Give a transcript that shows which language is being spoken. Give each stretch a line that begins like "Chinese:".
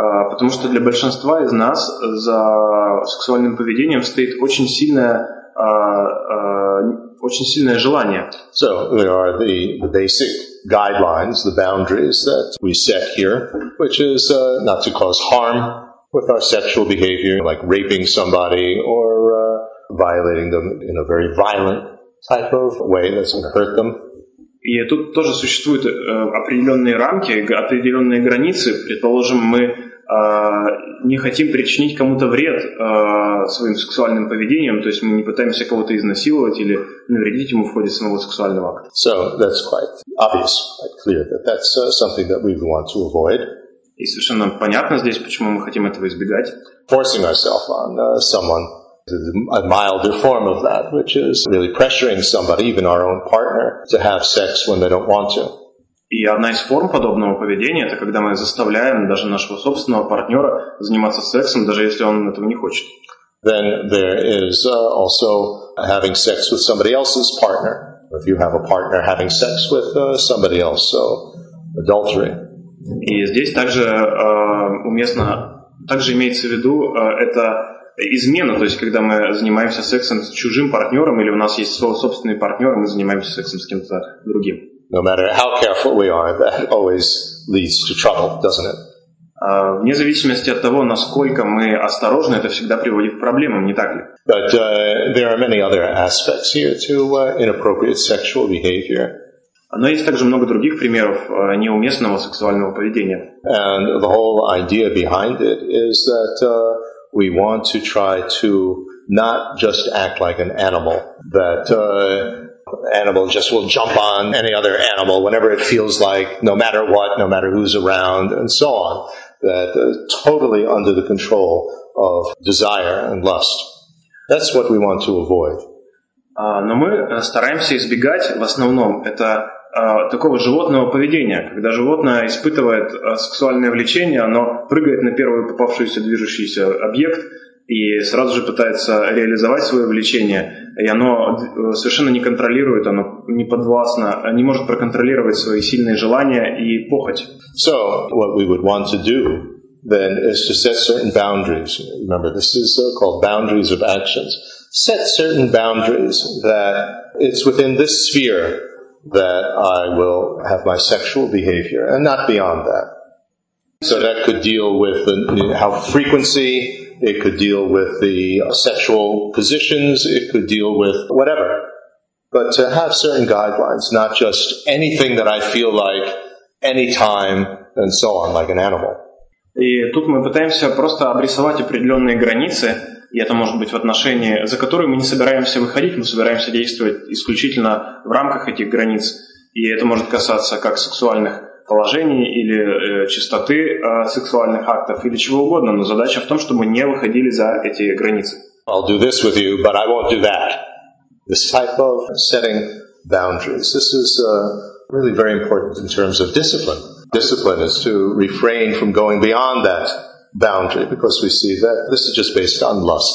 Russian: Потому что для большинства из нас за сексуальным поведением стоит очень сильное желание.
English: So there are the basic guidelines, the boundaries that we set here, which is not to cause harm with our sexual behavior, like raping somebody or violating them in a very violent type of way that's going to hurt them.
Russian: И тут тоже существуют определенные рамки, определенные границы. Предположим, мы не хотим причинить кому-то вред своим сексуальным поведением, то есть мы не пытаемся кого-то изнасиловать или навредить ему в ходе самого сексуального акта.
English: So that's quite obvious, quite clear that that's something that we want to avoid.
Russian: И совершенно понятно здесь, почему мы хотим этого избегать.
English: Forcing ourselves on someone is a milder form of that, which is really pressuring somebody, even our own partner, to have sex when they don't want to.
Russian: И одна из форм подобного поведения — это когда мы заставляем даже нашего собственного партнера заниматься сексом, даже если он этого не хочет.
English: Then there is also having sex with somebody else's partner. If you have a partner, having sex with somebody else, so adultery.
Russian: И здесь также уместно, также имеется в виду это измена, то есть когда мы занимаемся сексом с чужим партнером, или у нас есть свой собственный партнер, мы занимаемся сексом с кем-то другим.
English: No matter how careful we are, that always leads to trouble, doesn't it?
Russian: Вне зависимости от того, насколько мы осторожны, это всегда приводит к проблемам, не так ли?
English: But there are many other aspects here to inappropriate sexual behavior.
Russian: Но есть также много других примеров неуместного сексуального поведения.
English: And the whole idea behind it is that we want to try to not just act like an animal, that animal just will jump on any other animal whenever it feels like, no matter what, no matter who's around, and so on. That totally under the control of desire and lust. That's what we want to avoid.
Russian: Но мы стараемся избегать в основном это такого животного поведения, когда животное испытывает сексуальное влечение, оно прыгает на первый попавшийся движущийся объект и сразу же пытается реализовать свое влечение, и оно совершенно не контролирует, оно не подвластно, не может проконтролировать свои сильные желания и похоть.
English: So, what we would want to do then is to set certain boundaries. Remember, this is called boundaries of actions. Set certain boundaries that it's within this sphere that I will have my sexual behavior, and not beyond that. So that could deal with how frequency, it could deal with the sexual positions, it could deal with whatever. But to have certain guidelines, not just anything that I feel like, anytime, and so on, like an animal.
Russian: И тут мы пытаемся просто обрисовать определенные границы, и это может быть в отношении, за которые мы не собираемся выходить, мы собираемся действовать исключительно в рамках этих границ. И это может касаться как сексуальных положений или чистоты сексуальных актов, или чего угодно, но задача в том, чтобы не выходили за эти границы.
English: I'll do this with you, but I won't do that. This type of setting boundaries. This is really very important in terms of discipline. Discipline is to refrain from going beyond that boundary, because we see that this is just based on lust.